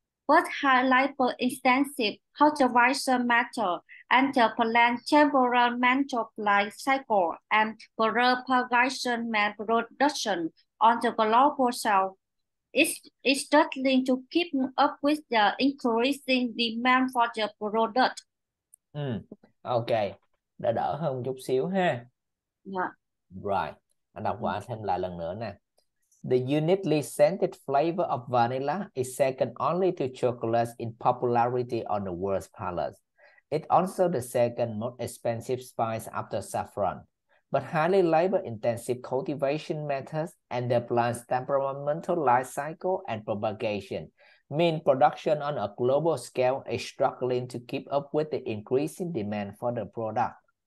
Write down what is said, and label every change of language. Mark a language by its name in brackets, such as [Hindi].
[English] But high labor intensive cultivation method and the plant temperamental life cycle and propagation and production on the global scale is struggling to keep up with the increasing demand for the product. [Vietnamese] Ok, đã đỡ hơn chút xíu [English] Yeah. [Vietnamese] ha. Rồi, anh đọc qua thêm lại lần nữa nè. [English] The uniquely scented flavor of vanilla is second only to chocolate in popularity on the world's palate. It's also the second most expensive spice after saffron. But highly labor-intensive cultivation methods and the plant's temperamental life cycle and propagation mean production on a global scale is struggling to keep up with the increasing demand for the product.